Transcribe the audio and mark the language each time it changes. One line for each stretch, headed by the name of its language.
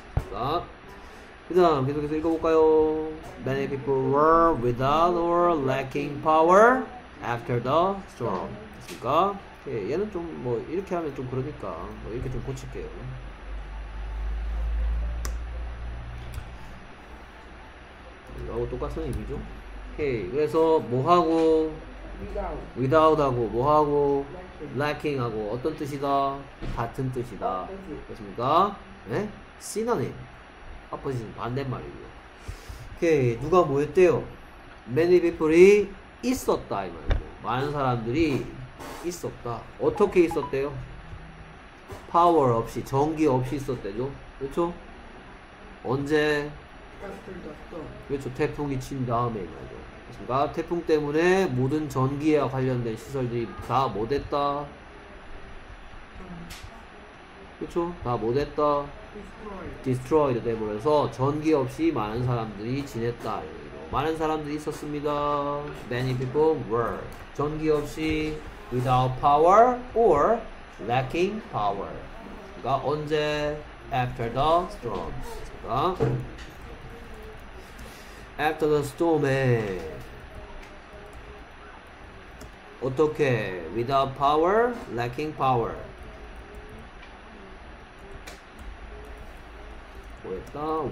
Korean: 자, 그다음 계속해서 읽어볼까요?
English: Many people were without or lacking power after the storm.
Korean: 그러니까 예, 얘는 좀 뭐 이렇게 하면 좀 그러니까 뭐 이렇게 좀 고칠게요. 이거하고 똑같은 의미죠? 오케이. 그래서 뭐하고 without하고 뭐하고 lacking하고 어떤 뜻이다? 같은 뜻이다. 그렇습니까? 네? synonym. 아버지는 반대말이고요. 오케이. 누가 뭐였대요? many people이 있었다. 이 말이죠. 많은 사람들이 있었다. 어떻게 있었대요? power 없이, 전기 없이 있었대죠. 그렇죠? 언제? 그렇죠. 태풍이 친 다음에 말이죠. 그러니까 태풍 때문에 모든 전기에 관련된 시설들이 다 못했다. 그렇죠? 다 못했다. destroyed 돼버려서 전기 없이 많은 사람들이 지냈다. 많은 사람들이 있었습니다.
English: Many people were
Korean: 전기 없이
English: without power or lacking power.
Korean: 그러니까 언제?
English: After the storm.
Korean: 그러니까
English: After the storm
Korean: 에 어떻게
English: without power, lacking power
Korean: 뭐였다?